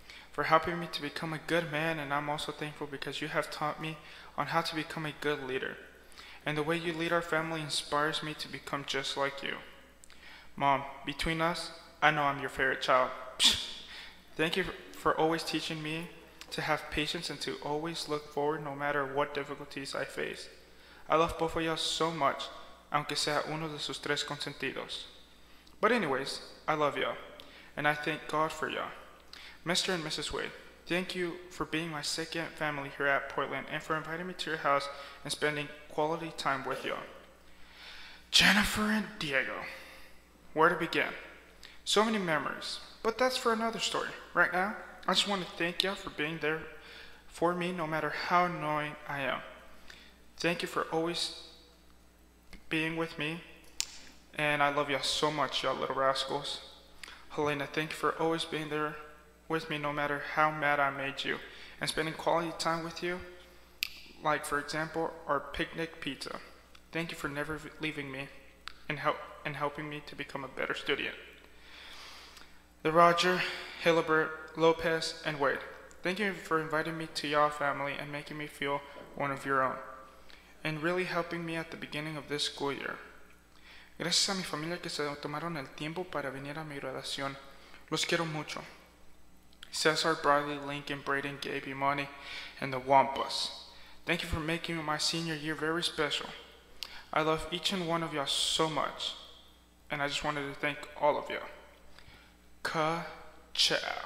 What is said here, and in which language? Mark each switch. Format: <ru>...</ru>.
<en>For helping me to become a good man, and I'm also thankful because you have taught me on how to become a good leader. And the way you lead our family inspires me to become just like you. Mom, between us, I know I'm your favorite child. Thank you for always teaching me to have patience and to always look forward no matter what difficulties I face. I love both of y'all so much,</en> <es>aunque sea uno de sus tres consentidos.</es> <en>But anyways, I love y'all, and I thank God for y'all. Mr. and Mrs. Wade, thank you for being my second family here at Portland and for inviting me to your house and spending quality time with y'all. Jennifer and Diego, where to begin? So many memories, but that's for another story. Right now, I just want to thank y'all for being there for me no matter how annoying I am. Thank you for always being with me, and I love y'all so much, y'all little rascals. Helana, thank you for always being there with me no matter how mad I made you and spending quality time with you, like for example, our picnic pizza. Thank you for never leaving me and helping me to become a better student. The Roger, Hillebert, Lopez, and Wade, thank you for inviting me to y'all family and making me feel one of your own, and really helping me at the beginning of this school year.</en> <es>Gracias a mi familia que se tomaron el tiempo para venir a mi graduación. Los quiero mucho.</es> <en>Cesar, Bradley, Lincoln, Braden, Gabe, Imani, and the Wampus, thank you for making my senior year very special. I love each and one of y'all so much, and I just wanted to thank all of y'all. Ka-chow.</en>